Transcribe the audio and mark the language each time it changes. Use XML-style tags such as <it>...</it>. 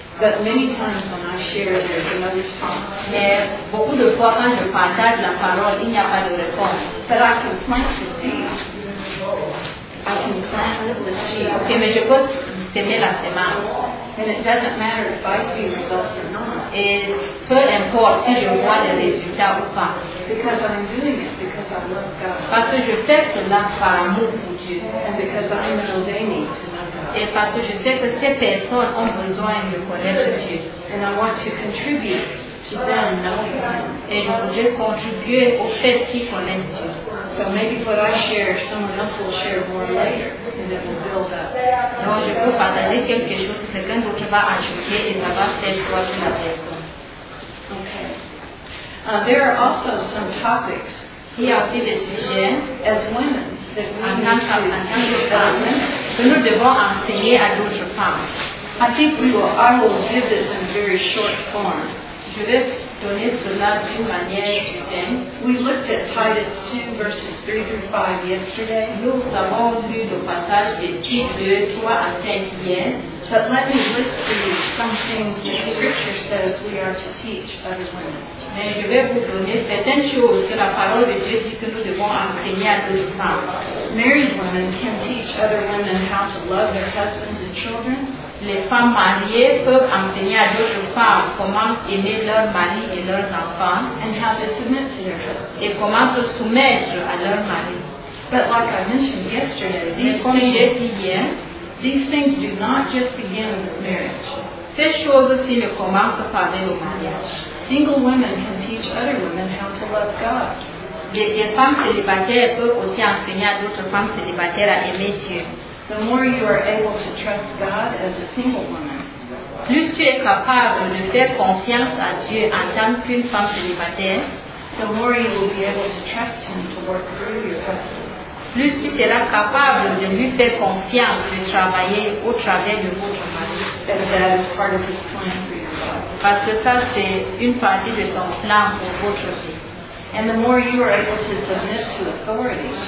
<en>But many times when I share, there's no response.</en> <fr>Mais beaucoup de fois quand je partage la parole, il n'y a pas de réponse.</fr> <en>But I can plant the seed. I can plant the seed.</en> <fr>Ok, mais je peux semer la semence.</fr> <en>And it doesn't matter if I see results or not.</en> <fr>Et peu importe si je vois les résultats ou pas.</fr> <en>Because I'm doing it because I love God.</en> <fr>Parce que je fais cela par amour.</fr> <en>And because I know they need to know God.</en> <fr>Et parce que je sais que ces personnes ont besoin de connaître Dieu.</fr> <en>And I want to contribute to them knowing Him.</en> <fr>Et je veux contribuer au fait qu'ils connaissent Dieu.</fr> <en>So maybe what I share, someone else will share more later, and it will build up.</en> <fr>Donc je peux partager quelque chose que quelqu'un d'autre va ajouter et ça va faire croître la personne.</fr> <en>Okay. There are also some topics.</en> <fr>Il y a aussi des sujets.</fr> <en>As women.</en> <fr>Que nous devons enseigner à d'autres femmes.</fr> <en>I think we will. I will give this in very short form.</en> <fr>Je vais donner cela d'une manière succincte.</fr> <en>We looked at Titus 2 verses 3 through 5 yesterday.</en> <fr>Nous avons lu le passage de Titus 2, 3 à 5 hier.</fr> <en>But let me list for you something the Scripture says we are to teach other women.</en> <fr>Mais je vais vous donner certaines choses que la parole de Dieu dit que nous devons enseigner à d'autres femmes.</fr> <en>married women can teach other women how to love their husbands and children.</en> <fr>Les femmes mariées peuvent enseigner à d'autres femmes comment aimer leur mari et leurs enfants.</fr> <en>And how to submit to their husbands.</en> <fr>Et comment se soumettre à leur mari.</fr> <en>But like I mentioned yesterday, these things do not just begin with marriage.</en> <fr>Ces choses aussi ne commencent pas dès le mariage.</fr> <en>Single women can teach other women how to love God.</en> <fr>Les femmes célibataires peuvent aussi enseigner à d'autres femmes célibataires à aimer Dieu.</fr> <en>The more you are able to trust God as a single woman,</en> <fr>plus tu es capable de faire confiance à Dieu en tant qu'une femme célibataire,</fr> <en>the more you will be able to trust Him to work through your husband.</en> <fr>Plus tu seras capable de lui faire confiance de travailler au travers de votre mari.</fr> <en>That is part of His plan for your life.</en> <fr>Parce que ça, c'est une partie de son plan pour votre vie.</fr> <en>And the more you are able to submit to authority,</en>